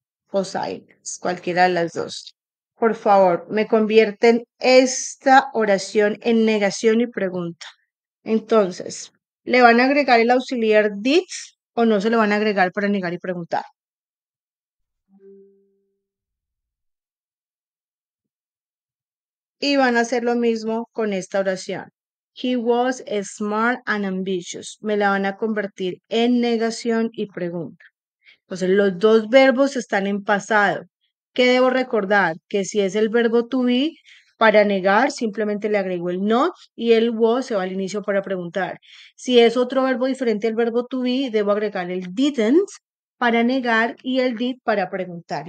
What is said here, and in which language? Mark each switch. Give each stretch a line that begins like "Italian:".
Spanish: O science, cualquiera de las dos. Por favor, me convierten esta oración en negación y pregunta. Entonces, ¿le van a agregar el auxiliar did o no se le van a agregar para negar y preguntar? Y van a hacer lo mismo con esta oración.
English: He was smart and ambitious.
Spanish: Me la van a convertir en negación y pregunta. Entonces, los dos verbos están en pasado. ¿Qué debo recordar? Que si es el verbo to be, para negar, simplemente le agrego el not y el was se va al inicio para preguntar. Si es otro verbo diferente al verbo to be, debo agregar el didn't para negar y el did para preguntar.